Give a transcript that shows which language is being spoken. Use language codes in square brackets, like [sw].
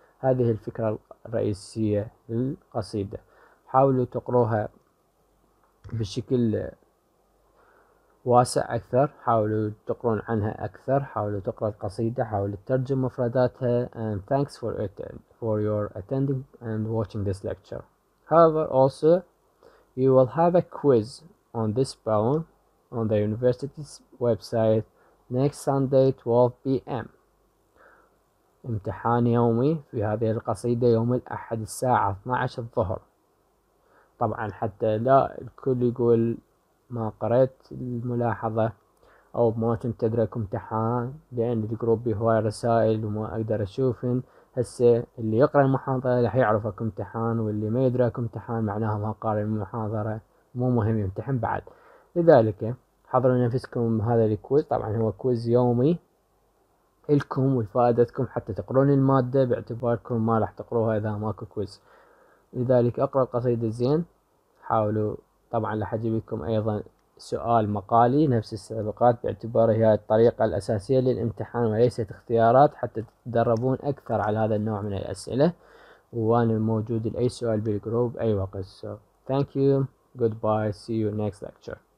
[ar] هذه الفكرة الرئيسية للقصيدة حاولوا تقروها بشكل واسع أكثر حاولوا تقرون عنها أكثر حاولوا تقرأ القصيدة حاولوا تترجم مفرداتها [en] and thanks for your attending and watching this lecture. However also you will have a quiz on this poem on the university's website next Sunday 12 PM. [ar] امتحان يومي في هذه القصيدة يوم الأحد الساعة 12 الظهر. طبعا حتى لا الكل يقول ما قرأت الملاحظة أو ما كنت أدرك امتحان لأن الجروب به هواي رسائل وما أقدر أشوفهن. هسه اللي يقرأ المحاضرة راح يعرفك امتحان واللي ما يدرك امتحان معناها ما قارئ المحاضرة مو مهم يمتحن بعد. لذلك حضروا نفسكم هذا الكويز طبعا هو كويز يومي لكم وفائدتكم حتى تقرون المادة باعتباركم ما راح تقروها إذا ماكو كويز. لذلك أقرأ القصيدة زين حاولوا طبعا لحجيبكم أيضا سؤال مقالي نفس السابقات باعتباره هي الطريقة الأساسية للامتحان وليست اختيارات حتى تتدربون أكثر على هذا النوع من الأسئلة. وأنا موجود لأي سؤال بالجروب أي وقت. [en] So thank you, goodbye, see you next lecture.